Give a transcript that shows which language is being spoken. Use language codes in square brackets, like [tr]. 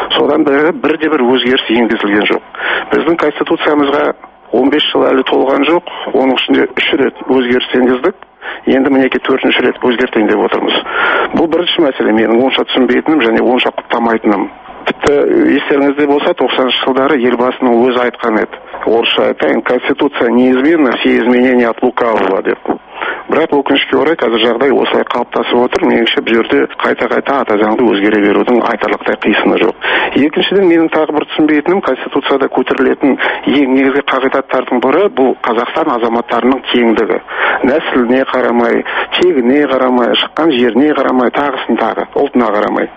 [kk] Содан бері бірде бір өзгеріс енгізілген жоқ. Біздің конституциямызға 15 жыл әлі толған жоқ, оның ішінде 3 рет өзгеріс енгіздік. Енді мінекі 4-ші рет өзгертейін деп отырмыз. Бұл бірінші мәселе, менің онша түсінбейтінім және онша құптамайтынам. Тіпті естеріңізде болса, 90-шы жылдары елбасының өзі айтқан еді. Орысша айтайын, [ru] конституция неизменна, все изменения от лукавого деп. [kk] Бірақ өкінішке орай, қазір жағдай осылай қалыптасып отыр. Меніңше, бұл жерде қайта-қайта ата заңды өзгере берудің айтарлықтай қисыны жоқ. Екіншіден, менің тағы бір түсінбейтінім, конституцияда көтерілетін ең негізгі қағидаттардың бірі бұл Қазақстан азаматтарының теңдігі. Нәсіліне қарамай, тегіне қарамай, шыққан жеріне қарамай, тағысын тағы, ұлтына қарамай.